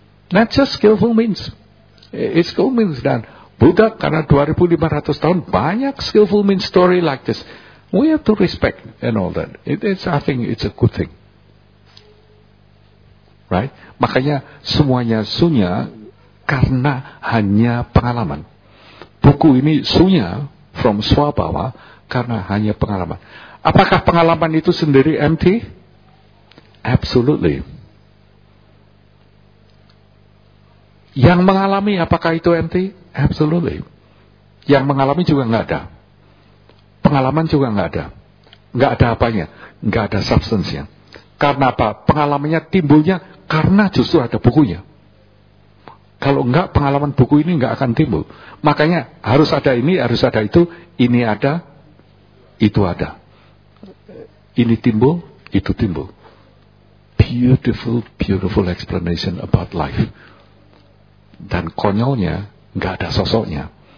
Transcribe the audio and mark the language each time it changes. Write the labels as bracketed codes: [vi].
[en] Not just skillful means. It's skillful means. [id] Dan Buddha karena 2500 tahun, banyak [en] skillful means story like this. We have to respect and all that. I think it's a good thing. Right? [id] Makanya semuanya sunya karena hanya pengalaman. Buku ini sunya from Swabhava karena hanya pengalaman. Apakah pengalaman itu sendiri empty? Absolutely. Yang mengalami apakah itu empty? Absolutely. Yang mengalami juga enggak ada. Pengalaman juga enggak ada. Enggak ada apanya? Enggak ada substance-nya. Karena apa? Pengalamannya timbulnya karena justru ada bukunya. Kalau enggak, pengalaman buku ini enggak akan timbul. Makanya harus ada ini, harus ada itu. Ini ada, itu ada. Ini timbul, itu timbul. [en] Beautiful, beautiful explanation about life. [id] Dan konyolnya, enggak ada sosoknya.